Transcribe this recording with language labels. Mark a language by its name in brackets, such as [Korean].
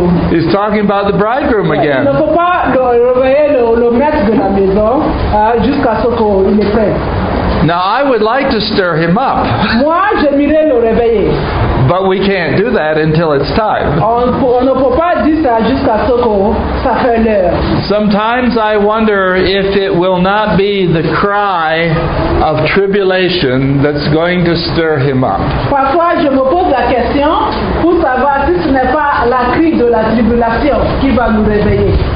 [English] He's talking about the bridegroom again. [French] Il ne faut pas réveiller le maître de la maison jusqu'à ce qu'il est prêt. [English] Now I would like to stir him up. [French] Moi, j'aimerais le réveiller. [English] But we can't do that until it's time. [French] On ne peut pas dire ça jusqu'à ce que ça fait l'heure. [English] Sometimes I wonder if it will not be the cry of tribulation that's going to stir him up. [French] Parfois je me pose la question pour savoir si ce n'est pas la cri de la tribulation qui va nous réveiller.